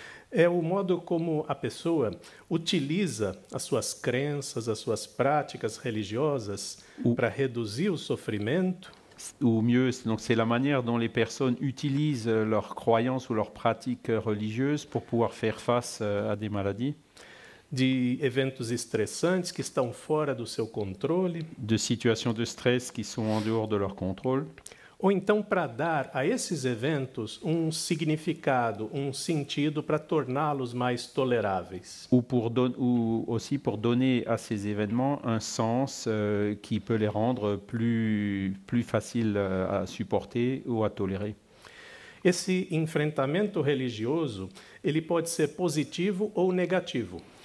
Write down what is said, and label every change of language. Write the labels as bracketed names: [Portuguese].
[Portuguese] É o modo como a pessoa utiliza as suas crenças, as suas práticas religiosas para reduzir o sofrimento. [French] Ou mieux, donc c'est la manière dont les personnes utilisent leurs croyances ou leurs pratiques religieuses pour pouvoir faire face à des maladies, [Portuguese] De eventos estressantes que estão fora do seu controle. [French] de situations de stress qui sont en dehors de leur contrôle. [Portuguese] Ou então para dar a esses eventos um significado, um sentido para torná-los mais toleráveis. [French] Ou aussi pour donner à ces événements un sens qui peut les rendre plus faciles à supporter ou à tolérer. [Portuguese] Esse enfrentamento religioso, ele pode ser positivo ou negativo.